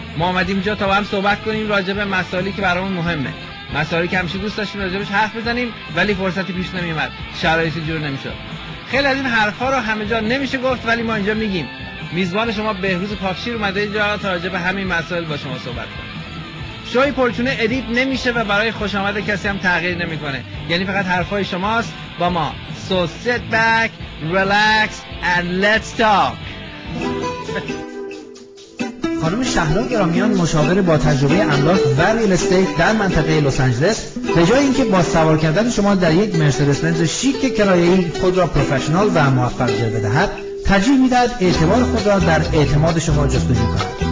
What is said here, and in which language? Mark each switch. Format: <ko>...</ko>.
<fa>ما اومدیم اینجا تا با هم صحبت کنیم راجع به مسائلی که برامون مهمه، مسائلی که همیشه دوست داشتیم راجعش حرف بزنیم ولی فرصتی پیش نمیومد، شرایطی جور نمیشد. خیلی از این حرفا رو همه جا نمیشه گفت ولی ما اینجا میگیم. میزبان شما بهروز پاکشیر اومده اینجا تا راجع به همین مسائل با شما صحبت کنه. شوی پرچونه ادیت نمیشه و برای خوش آمده کسی هم تغییر نمیکنه. یعنی فقط حرفای شماست با ما.</fa> <en>So sit back, relax and let's talk.</en> <fa>خانم شهلا گرامیان مشاور با تجربه املاک و ریل استیت در منطقه لس آنجلس، به جای اینکه با سوار کردن شما در یک مرسدس بنز شیک کرایه‌ای خود را پروفشنال و موفق جلوه بدهد، ترجیح میدهد اعتبار خود را در اعتماد شما جستجو کند.</fa>